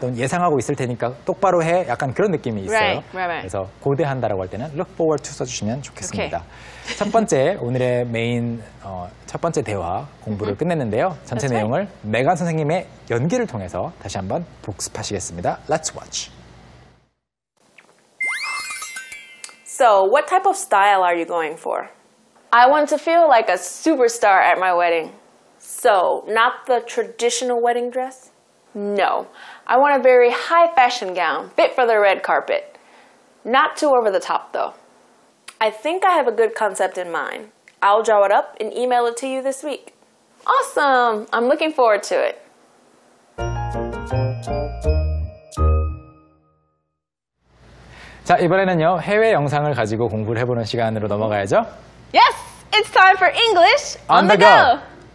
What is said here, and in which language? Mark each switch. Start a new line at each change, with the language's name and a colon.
Korean: 또는 예상하고 있을 테니까 똑바로 해 약간 그런 느낌이 있어요.
English: Right. Right. Right.
Korean: 그래서 고대한다라고 할 때는 look forward to 써주시면 좋겠습니다.
English: Okay.
Korean: 첫 번째 오늘의 메인 첫 번째 대화 공부를 mm-hmm. 끝냈는데요. 전체
English: That's
Korean: 내용을
English: right.
Korean: 메간 선생님의 연기를 통해서 다시 한번 복습하시겠습니다.
English: Let's watch. So what type of style are you going for? I want to feel like a superstar at my wedding. So, not the traditional wedding dress? No. I want a very high fashion gown, fit for the red carpet. Not too over the top, though. I think I have a good concept in mind. I'll draw it up and email it to you this week. Awesome! I'm looking forward to it.
Korean: 자, 이번에는요. 해외 영상을 가지고 공부를 해보는 시간으로 넘어가야죠.
English: Yes! It's time for English on the go!